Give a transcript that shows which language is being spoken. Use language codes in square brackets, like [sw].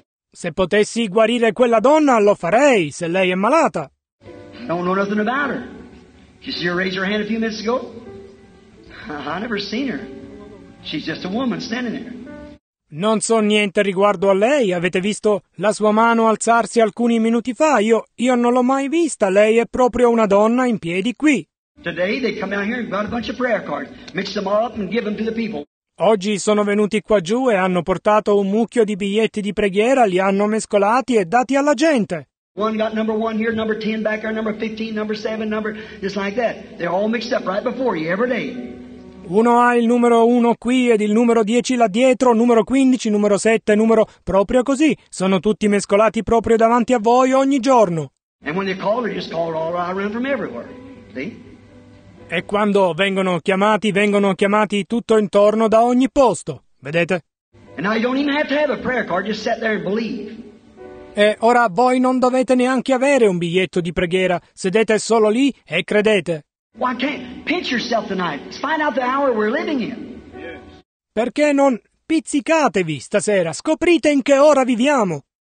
[it] Se potessi guarire quella donna, lo farei, se lei è malata. [en] I don't know nothing about her. Did you see her raise her hand a few minutes ago? I never seen her. She's just a woman standing there. [it] Non so niente riguardo a lei. Avete visto la sua mano alzarsi alcuni minuti fa? Io non l'ho mai vista. Lei è proprio una donna in piedi qui. [en] Today they come out here and brought a bunch of prayer cards, mix them all up and give them to the people. [it] Oggi sono venuti qua giù e hanno portato un mucchio di biglietti di preghiera, li hanno mescolati e dati alla gente. [en] One got number one here, number 10 back there, number 15, number 7, number just like that. They're all mixed up right before you every day. [it] Uno ha il numero 1 qui ed il numero 10 là dietro, numero 15, numero 7, numero proprio così. Sono tutti mescolati proprio davanti a voi ogni giorno. [en] And when they call, they're just called all around from everywhere. See? [it] E quando vengono chiamati tutto intorno da ogni posto, vedete? [en] And now you don't even have to have a prayer card, just sit there and believe. [it] E ora voi non dovete neanche avere un biglietto di preghiera, sedete solo lì e credete. [en] Why can't pinch yourself tonight? Find out the hour we're living in. [it] Perché non pizzicatevi stasera? Scoprite in che ora viviamo.